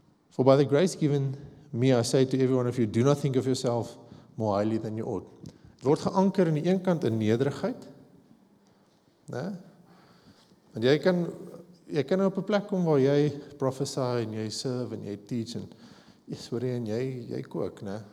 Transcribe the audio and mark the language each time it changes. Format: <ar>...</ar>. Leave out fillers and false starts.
<en>For by the grace given me, I say to every one of you, do not think of yourself more highly than you ought.</en> <af>Dit word geanker aan die een kant in nederigheid. Né? Want jy kan nou op 'n plek kom waar jy</af> <en>prophesy</en> <af>en jy</af> <en>serve</en> <af>en jy</af> <en>teach</en> <af>en jy kook, né?</af>